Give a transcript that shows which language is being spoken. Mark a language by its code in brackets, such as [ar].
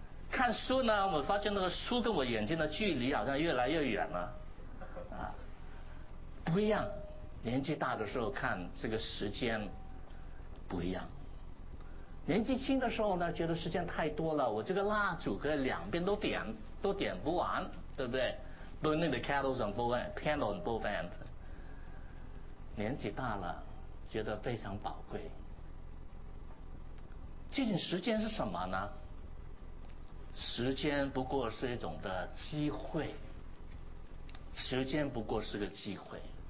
[zh] 看书呢，我发现那个书跟我眼睛的距离好像越来越远了，啊，不一样。年纪大的时候看这个时间不一样，年纪轻的时候呢，觉得时间太多了，我这个蜡烛可以两边都点不完，对不对？ [en] Burning the candles on both ends, candle on both ends。 [zh] 年纪大了觉得非常宝贵。究竟时间是什么呢？时间不过是一种的机会，时间不过是个机会。